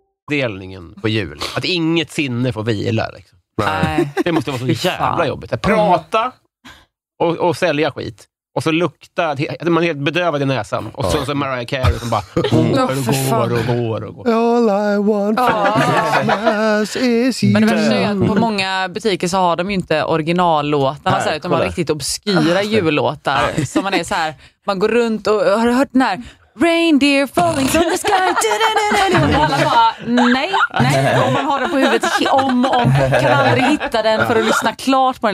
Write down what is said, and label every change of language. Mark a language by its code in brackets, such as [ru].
[sv] Delningen på jul. Att inget sinne får vila. Liksom. Nej. Det måste vara så jävla jobbigt. Att prata och sälja skit. Och så lukta, man är helt bedövad i näsan. Och så Mariah Carey som bara går och går och går och går. [en] All I want for Christmas is you. [sv] Men det är väl så att på många butiker så har de ju inte originallåtarna. Nej, så här, utan de har riktigt obskyra jullåtar. Så man är så här, man går runt och har du hört den här? [en] Reindeer falling from the sky. [sv] Och alla bara, nej, nej. Om man har den på huvudet om. Kan aldrig hitta den för att lyssna klart på den.